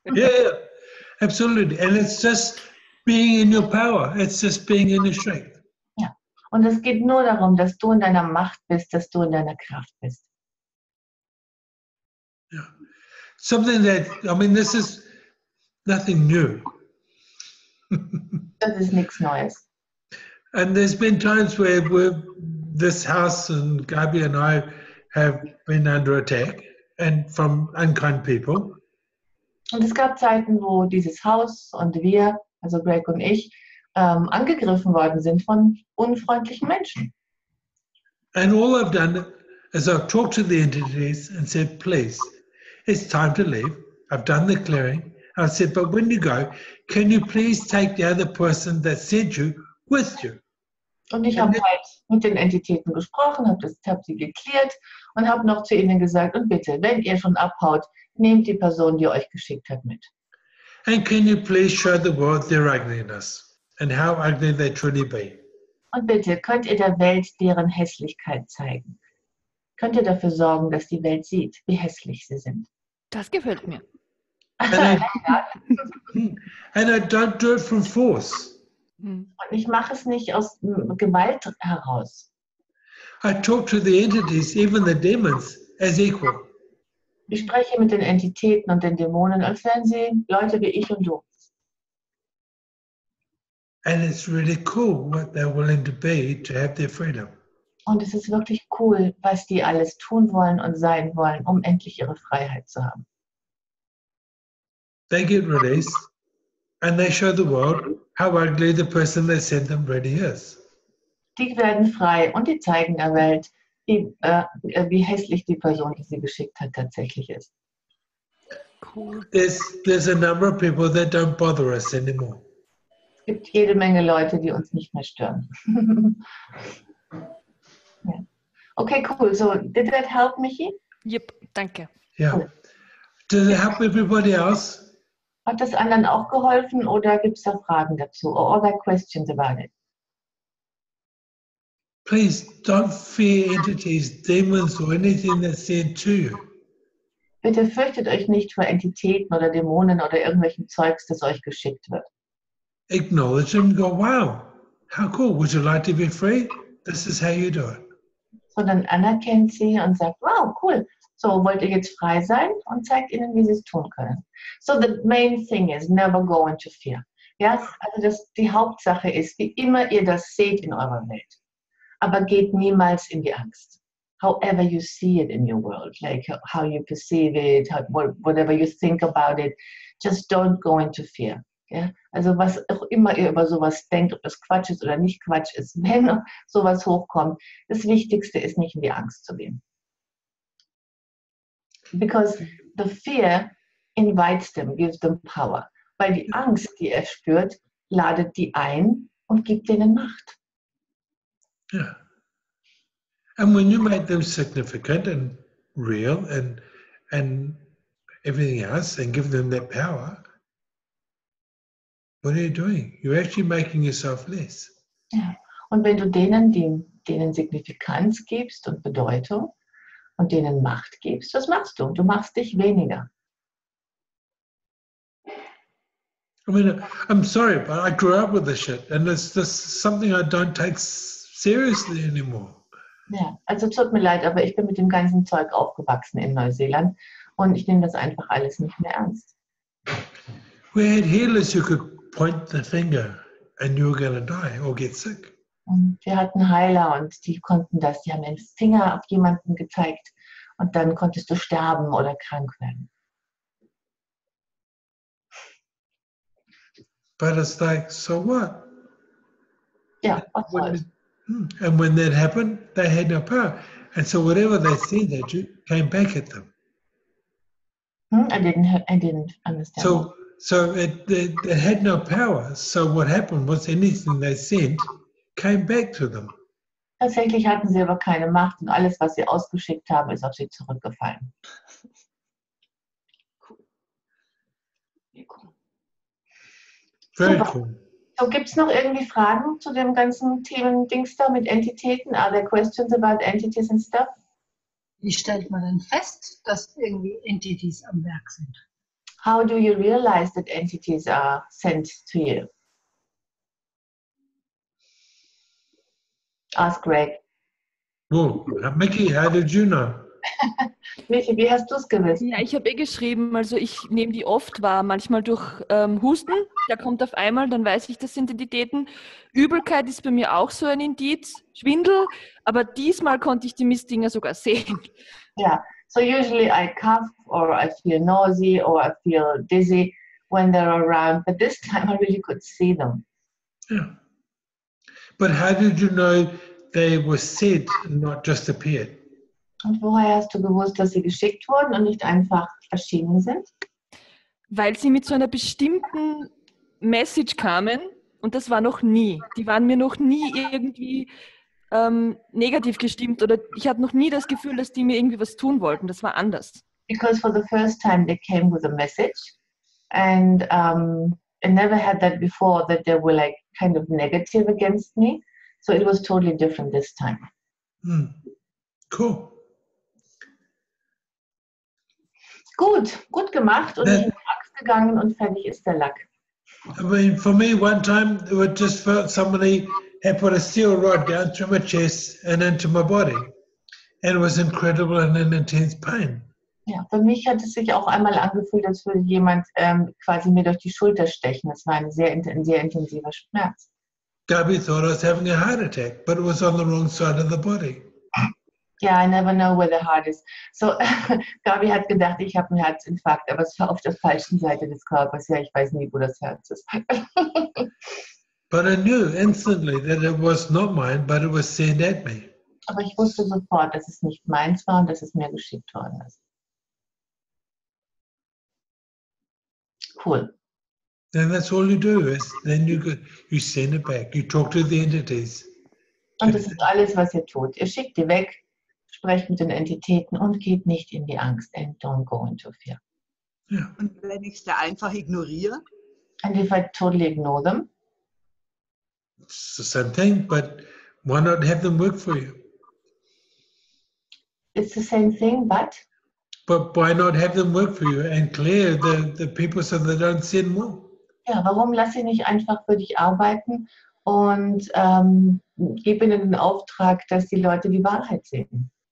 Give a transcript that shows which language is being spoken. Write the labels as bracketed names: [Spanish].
[English] Yeah, absolutely. And it's just being in your power. It's just being in your strength. [German] Ja. Und es geht nur darum, dass du in deiner Macht bist, dass du in deiner Kraft bist. [English] Yeah. Something that, I mean, this is nothing new. [German] Das ist nichts Neues. [English] And there's been times where this house and Gabi and I have been under attack and from unkind people. [German] Und es gab Zeiten, wo dieses Haus und wir, also Greg und ich, angegriffen worden sind von unfreundlichen Menschen. [English] And all I've done is I've talked to the entities and said, please, it's time to leave. I've done the clearing. I said, but when you go, can you please take the other person that sent you with you? [German] Und ich habe halt mit den Entitäten gesprochen, habe sie geklärt und habe noch zu ihnen gesagt, und bitte, wenn ihr schon abhaut, nehmt die Person, die euch geschickt hat, mit. [English] And can you please show the world their ugliness and how ugly they truly be? [German] Und bitte, könnt ihr der Welt deren Hässlichkeit zeigen? Könnt ihr dafür sorgen, dass die Welt sieht, wie hässlich sie sind? Das gefällt mir. [English] And I don't do it from force. [German] Und ich mache es nicht aus Gewalt heraus. [English] I talk to the entities, even the demons, as equal. [German] Ich spreche mit den Entitäten und den Dämonen, als wären sie Leute wie ich und du. [English] And it's really cool what they're willing to be to have their freedom. [German] Und es ist wirklich cool, was die alles tun wollen und sein wollen, um endlich ihre Freiheit zu haben. [English] They get released and they show the world how ugly the person they sent them really is. [German] Die werden frei und die zeigen der Welt, wie hässlich die Person, die sie geschickt hat, tatsächlich ist. [English] Cool. There's a number of people that don't bother us anymore. [German] Es gibt jede Menge Leute, die uns nicht mehr stören. [English] Yeah. Okay, cool. So, did that help, Michi? [German] Yep, danke. [English] Yeah. Cool. Does it help everybody else? [German] Hat das anderen auch geholfen oder gibt es da Fragen dazu? [English] Or other questions about it? Please don't fear entities, demons or anything that's sent to you. [German] Bitte fürchtet euch nicht vor Entitäten oder Dämonen oder irgendwelchen Zeugs, das euch geschickt wird. [English] Acknowledge them and go, wow, how cool, would you like to be free? This is how you do it. [German] Sondern anerkennt sie und sagt, wow, cool. So, wollt ihr jetzt frei sein? Und zeigt ihnen, wie sie es tun können. [English] So, the main thing is, never go into fear. [German] Ja, also das, die Hauptsache ist, wie immer ihr das seht in eurer Welt. Aber geht niemals in die Angst. [English] However you see it in your world, like how you perceive it, whatever you think about it, just don't go into fear. [German] Ja, also was auch immer ihr über sowas denkt, ob das Quatsch ist oder nicht Quatsch ist, wenn sowas hochkommt, das Wichtigste ist, nicht in die Angst zu gehen. [English] Because the fear invites them, gives them power. [German] Weil die Angst, die er spürt, ladet die ein und gibt denen Macht. [English] Yeah. And when you make them significant and real and everything else and give them that power, what are you doing? You're actually making yourself less. [German] Ja. Und wenn du denen, denen Signifikanz gibst und Bedeutung und denen Macht gibst, was machst du? Du machst dich weniger. [English] I mean, I'm sorry, but I grew up with this shit and it's just something I don't take seriously anymore. [German] Ja, also tut mir leid, aber ich bin mit dem ganzen Zeug aufgewachsen in Neuseeland und ich nehme das einfach alles nicht mehr ernst. [English] We had healers who could point the finger and you're going to die or get sick. [German] Wir hatten Heiler und die konnten das, die haben den Finger auf jemanden gezeigt und dann konntest du sterben oder krank werden. [English] But it's like, so what? [German] Ja, was soll's? [English] And when that happened, they had no power. And so whatever they said, they came back at them. I didn't understand. So it had no power. So what happened was anything they sent came back to them. [German] Tatsächlich hatten sie aber keine Macht und alles, was sie ausgeschickt haben, ist auf sie zurückgefallen. [English] Very cool. [German] So, gibt es noch irgendwie Fragen zu dem ganzen Themen-Dings da mit Entitäten? [English] Are there questions about entities and stuff? [German] Wie stellt man denn fest, dass irgendwie Entities am Werk sind? [English] How do you realize that entities are sent to you? Ask Greg. Oh, Mickey, how did you know? [German] Michi, wie hast du es gewusst? Ja, ich habe geschrieben, also ich nehme die oft wahr, manchmal durch Husten, der kommt auf einmal, dann weiß ich, das sind Entitäten. Übelkeit ist bei mir auch so ein Indiz, Schwindel, aber diesmal konnte ich die Mistdinger sogar sehen. Ja, yeah. [English] So usually I cough or I feel nausea or I feel dizzy when they're around, but this time I really could see them. Yeah. But how did you know they were said, not just appeared? [German] Und woher hast du gewusst, dass sie geschickt wurden und nicht einfach erschienen sind? Weil sie mit so einer bestimmten Message kamen und das war noch nie. Die waren mir noch nie irgendwie negativ gestimmt oder ich hatte noch nie das Gefühl, dass die mir irgendwie was tun wollten. Das war anders. [English] Because for the first time they came with a message and I never had that before, that they were like kind of negative against me. So it was totally different this time. Mm. Cool. [German] Gut, gut gemacht und in den Axt gegangen und fertig ist der Lack. [English] I mean, for me, one time it was just felt somebody had put a steel rod down through my chest and into my body. And it was incredible and an intense pain. [German] Ja, für mich hat es sich auch einmal angefühlt, als würde jemand quasi mir durch die Schulter stechen. Das war ein sehr intensiver Schmerz. [English] Gabby thought I was having a heart attack, but it was on the wrong side of the body. Yeah, I never know where the heart is. [German] So, Gabi hat gedacht, ich habe einen Herzinfarkt, aber es war auf der falschen Seite des Körpers. Ja, ich weiß nie, wo das Herz ist. [English] But I knew instantly that it was not mine, but it was sent at me. [German] Aber ich wusste sofort, dass es nicht meins war und dass es mir geschickt worden ist. [English] Cool. Then that's all you do is then you send it back. You talk to the entities. [German] Und das ist alles, was ihr tut. Ihr schickt die weg. Sprecht mit den Entitäten und geht nicht in die Angst. [English] And don't go into fear. [German] Ja. Und wenn ich es da einfach ignoriere? [English] And if I totally ignore them? It's the same thing, but why not have them work for you? It's the same thing, but? But why not have them work for you and clear the people so they don't sin more? [German] Ja, warum lass sie nicht einfach für dich arbeiten und gebe ihnen den Auftrag, dass die Leute die Wahrheit sehen?